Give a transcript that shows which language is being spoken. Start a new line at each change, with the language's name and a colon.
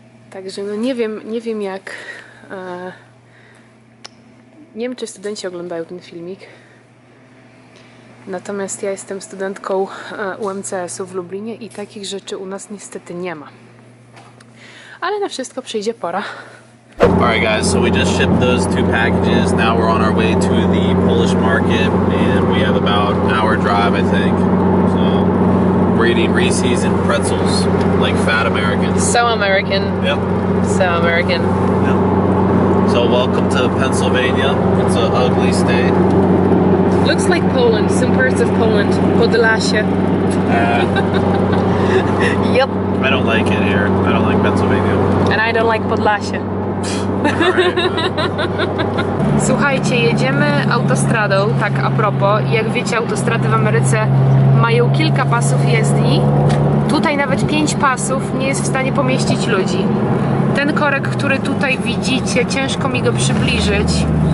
Polish: Także no nie wiem jak. Nie wiem, czy studenci oglądają ten filmik. Natomiast ja jestem studentką UMCS-u w Lublinie i takich rzeczy u nas niestety nie ma. Ale na wszystko przyjdzie pora.
English: Alright guys, so we just shipped those two packages. Now we're on our way to the Polish market and we have about an hour drive, I think. So we're eating Reese's and pretzels like fat Americans. So American. Yep. So American. Yep. So welcome to Pennsylvania. It's an ugly state. Looks like Poland, some parts of Poland. Podlasia. Yep. I don't like it here. I don't like Pennsylvania. And I don't like Podlasia.
Polish: Słuchajcie, jedziemy autostradą, tak a propos. Jak wiecie, autostrady w Ameryce mają kilka pasów jezdni. Tutaj nawet 5 pasów nie jest w stanie pomieścić ludzi. Ten korek, który tutaj widzicie, ciężko mi go przybliżyć.